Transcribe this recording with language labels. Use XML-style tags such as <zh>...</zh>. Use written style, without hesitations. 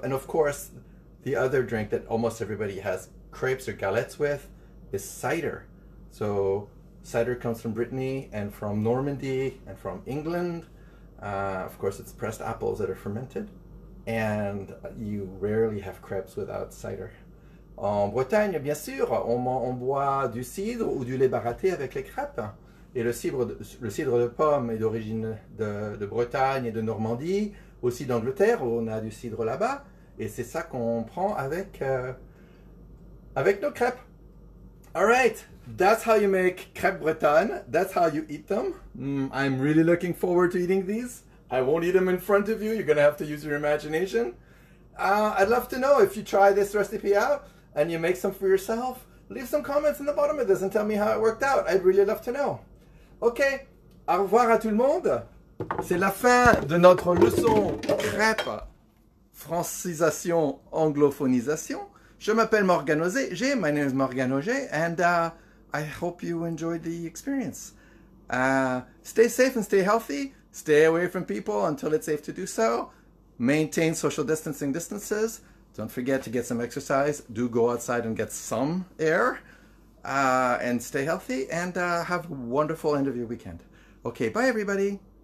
<en>And of course, the other drink that almost everybody has crepes or galettes with is cider. So cider comes from Brittany and from Normandy and from England. Of course, it's pressed apples that are fermented, and you rarely have crepes without cider.</en> <fr>En Bretagne, bien sûr, on boit du cidre ou du lait baratté avec les crêpes. Et le cidre de pomme est d'origine de Bretagne et de Normandie, aussi d'Angleterre, où on a du cidre là-bas. Et c'est ça qu'on prend avec, avec nos crêpes.</fr> <en>All right, that's how you make crêpes bretonnes. That's how you eat them. I'm really looking forward to eating these. I won't eat them in front of you. You're going to have to use your imagination. I'd love to know if you try this recipe out and you make some for yourself. Leave some comments in the bottom of this and tell me how it worked out. I'd really love to know.</en> <fr>OK, au revoir à tout le monde. C'est la fin de notre leçon crêpe francisation anglophonisation. Je m'appelle Morgane Oger.</fr> <en>My name is Morgane Oger, and I hope you enjoyed the experience. Stay safe and stay healthy. Stay away from people until it's safe to do so. Maintain social distancing distances. Don't forget to get some exercise. Do go outside and get some air. And stay healthy, and have a wonderful end of your weekend. Okay, bye everybody.</en>